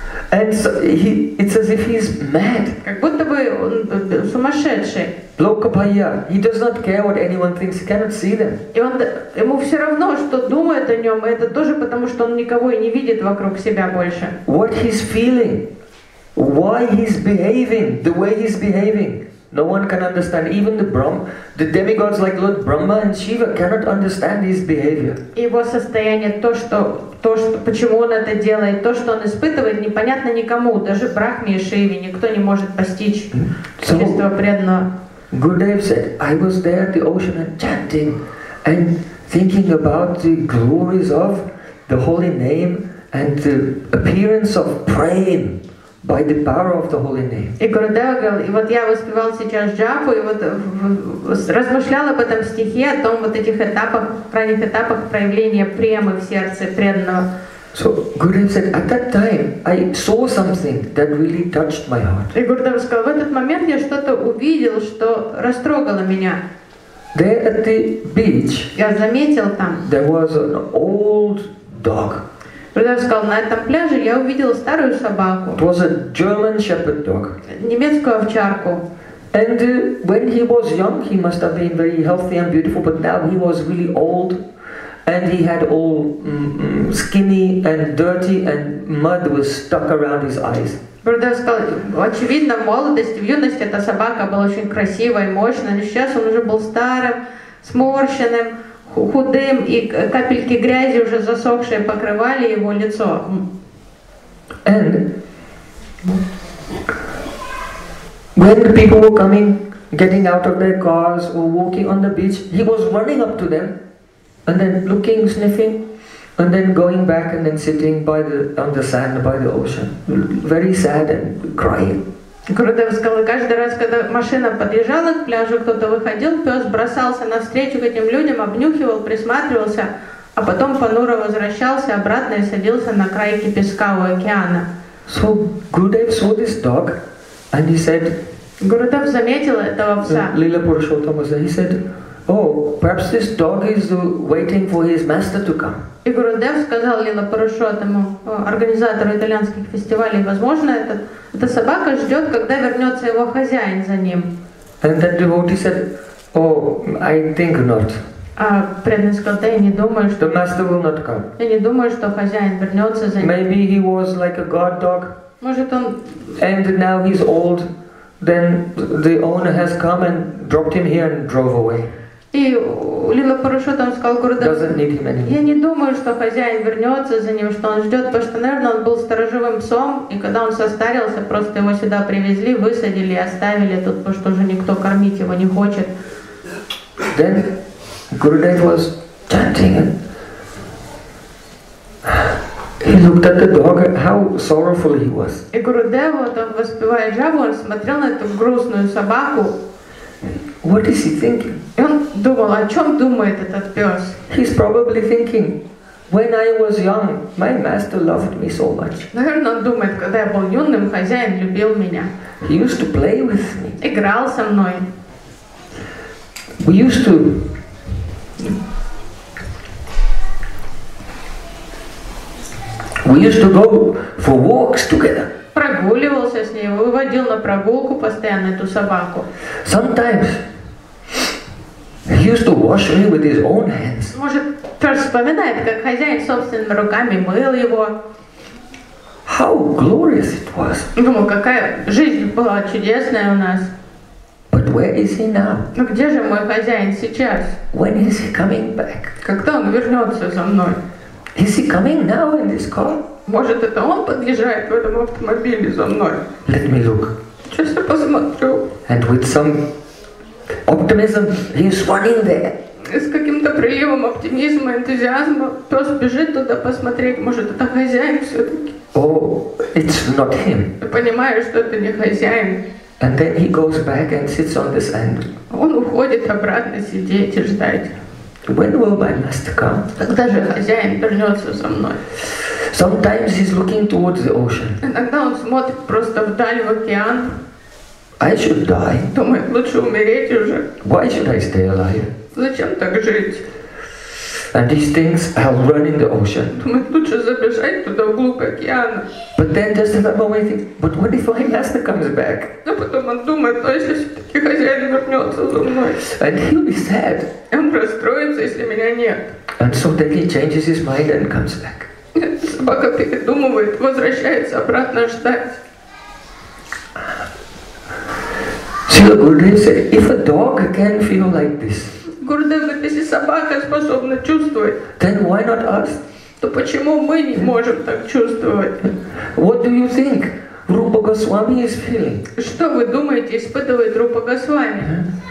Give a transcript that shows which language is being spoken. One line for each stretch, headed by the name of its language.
English: And so he, it's as if he's mad.
Russian: Как будто бы он сумасшедший.
English: Lokapaya, he does not care what anyone thinks. He cannot see them.
Russian: И он, ему все равно, что думают о нем. Это тоже потому, что он никого и не видит вокруг себя больше.
English: What he's feeling? Why he's behaving the way he's behaving? No one can understand. Even the demigods like Lord Brahma and Shiva cannot understand his behavior.
Russian: Его состояние, то, что, почему он это делает, то, что он испытывает, непонятно никому, даже Брахме и Шиве, никто не может постичь чистого преданного.
English: Gurudev said, I was there at the ocean and chanting and thinking about the glories of the holy name and the appearance of praying by the power of the holy name.
Russian: И Гурудева говорил, и вот я воспевал сейчас джапу, и вот размышлял об этом стихе, о том вот этих этапах, крайних этапах проявления премы в сердце преданного.
English: So Gurudev said, at that time I saw something that really touched my heart.
Russian: И Гурудева сказал, в этот момент я что-то увидел, что растрогало меня.
English: There at the beach.
Russian: Я заметил там.
English: There was an old dog.
Russian: Гурудев сказал, на этом пляже я увидел старую собаку.
English: It was a German shepherd dog.
Russian: Немецкую овчарку.
English: And when he was young, he must have been very healthy and beautiful, but now he was really old. And he had all skinny and dirty, and mud was stuck around his eyes.
Russian: Брюдер сказал, очевидно, в молодости, в юности эта собака была очень красивая и мощная, но сейчас он уже был старым, сморщенным, худым, и капельки грязи уже засохшие покрывали его лицо.
English: And when the people were coming, getting out of their cars or walking on the beach, he was running up to them, and then looking, sniffing, and then going back and then sitting by the on the sand by the ocean, very sad and crying.
Russian: Грудев сказал, каждый раз, когда машина подъезжала к пляжу, кто-то выходил, пес бросался навстречу к этим людям, обнюхивал, присматривался, а потом понуро возвращался обратно и садился на краю песка у океана.
English: So Grudev saw this dog, and he said.
Russian: Грудев заметил этого пса.
English: Лила Пуршотама said, he said, oh, perhaps this dog is waiting for his master to come.
Russian: И Грудев сказал Лила Пуршотаму, организатору итальянских фестивалей, возможно, эта собака ждет, когда вернется его хозяин за ним.
English: And that devotee said, oh, I think not.
Russian: А преданный сказал, да, я не думаю, что
English: the master will not come.
Russian: Я не думаю, что хозяин вернется за ним.
English: Maybe he was like a guard dog.
Russian: Может он.
English: And now he's old, then the owner has come and dropped him here and drove away.
Russian: И Лила Парашютам сказал, Грудев,
English: doesn't need him anymore.
Russian: Я не думаю, что хозяин вернется за ним, что он ждет, потому что, наверное, он был сторожевым псом, и когда он состарился, просто его сюда привезли, высадили и оставили тут, потому что уже никто кормить его не хочет.
English: Then Gurudev was chanting and he looked at the dog, how sorrowful he was.
Russian: И Гурудев, там воспевая джаву, он смотрел на эту грустную собаку.
English: What is he thinking?
Russian: И он думал, о чем думает этот пес?
English: He's probably thinking, when I was young, my master loved me so much.
Russian: Наверное, он думает, когда я был юным, хозяин любил меня.
English: He used to play with me.
Russian: Играл со мной.
English: We used to go for walks together.
Russian: Прогуливался с ней, выводил на прогулку постоянно эту собаку.
English: Sometimes he used to wash me with his own hands.
Russian: Может, тоже вспоминает, как хозяин собственными руками мыл его.
English: How glorious it was.
Russian: Думал, какая жизнь была чудесная у нас.
English: But where is he now?
Russian: Ну где же мой хозяин сейчас?
English: When is he coming back?
Russian: Когда он вернется за мной?
English: Is he coming now in this car?
Russian: Может, это он подъезжает в этом автомобиле за мной?
English: Let me look.
Russian: Сейчас я посмотрю.
English: And with some optimism, he's running there.
Russian: И с каким-то приливом оптимизма, энтузиазма, пес бежит туда посмотреть, может, это хозяин все-таки?
English: Oh, it's not him.
Russian: Я понимаю, что это не хозяин.
English: And then he goes back and sits on the sand.
Russian: Он уходит обратно сидеть и ждать.
English: When will my master come?
Russian: Когда же хозяин вернется со мной?
English: Sometimes he's looking towards the ocean.
Russian: Иногда он смотрит просто вдаль в океан.
English: I should die.
Russian: Думает, лучше умереть уже.
English: Why should I stay alive?
Russian: Зачем так жить?
English: And he thinks I'll run in the ocean.
Russian: Думает, лучше забежать туда вглубь океана.
English: But then just another way thinks, but what if my master comes back?
Russian: А потом он думает, а если все-таки хозяин вернется за мной?
English: And he'll be sad.
Russian: И он расстроится, если меня нет.
English: And so then he changes his mind and comes back.
Russian: Собака передумывает, возвращается обратно ждать.
English: So Gurudev said, if a dog can feel like this,
Russian: если собака способна чувствовать,
English: then why not us?
Russian: То почему мы не можем так чувствовать?
English: What do you think Rupa Goswami is feeling?
Russian: Что вы думаете, испытывает Рупа Госвами?